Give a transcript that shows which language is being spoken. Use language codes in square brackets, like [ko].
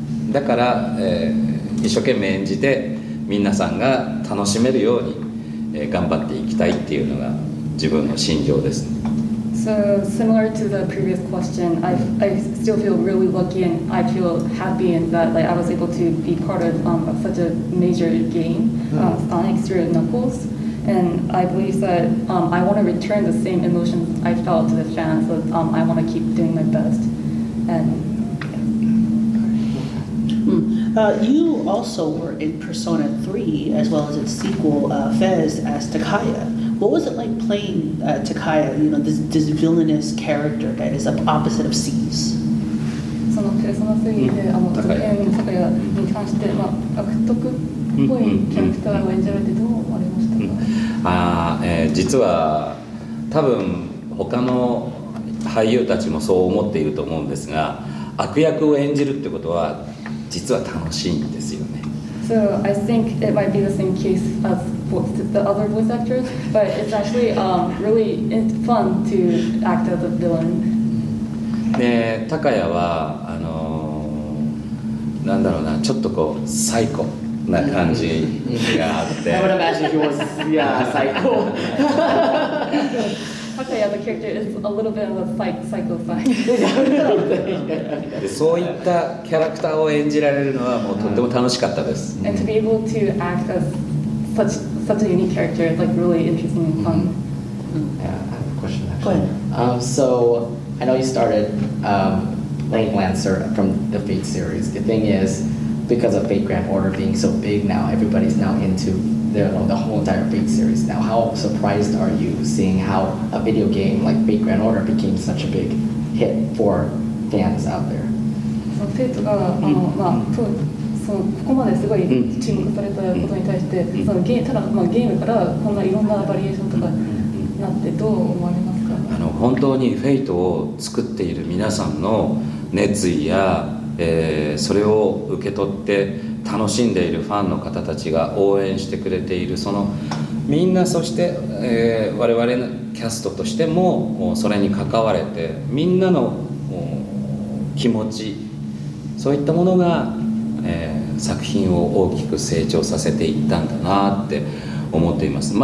[ja] だから、一生懸命演じて皆さんが楽しめるように、頑張っていきたいっていうのが自分の心情です。 [en] So similar to the previous question, I still feel really lucky and I feel happy in that like I was able to be part of such a major game, Sonic through Knuckles. And I believe that I want to return the same emotions I felt to the fans. That I want to keep doing my best. And You also were in Persona 3 as well as its sequel Fez as Takaya. What was it like playing Takaya, you know, this villainous character that is the opposite of Cs? [ja] その Persona 3で、Takaya に関して、まあ、悪徳っぽいキャラクターを演じられてどう思われましたか？実は多分他の俳優たちもそう思っていると思うんですが、悪役を演じるってことは実は楽しいんですよね。 [en] So I think it might be the same case as the other voice actors, but it's actually really fun to act as a villain. [ja] で、タカヤはあのなんだろうな、ちょっとこうサイコな感じがあって。 [en] I would imagine he was yeah psycho. Takaya the character is a little bit of a psycho fight. [ja] そういったキャラクターを演じられるのはもうとっても楽しかったです。 [en] And to be able to act as such a unique character is like really interesting and fun. Yeah, I have a question actually. Go ahead. So I know you started playing Lancer from the Fate series. The thing is, because of Fate Grand Order being so big now, everybody's now into the whole entire Fate series now. How surprised are you seeing how a video game like Fate Grand Order became such a big hit for fans out there? [ja] So Fate が、そのここまですごい注目されたことに対して、そのただ、まあ、ゲームからこんないろんなバリエーションとかになってどう思われますか？あの本当にフェイトを作っている皆さんの熱意や、それを受け取って楽しんでいるファンの方たちが応援してくれている、そのみんな、そして、我々のキャストとしてもそれに関われて、みんなの気持ち、そういったものが作品を大きく成長させていったんだなって思っています。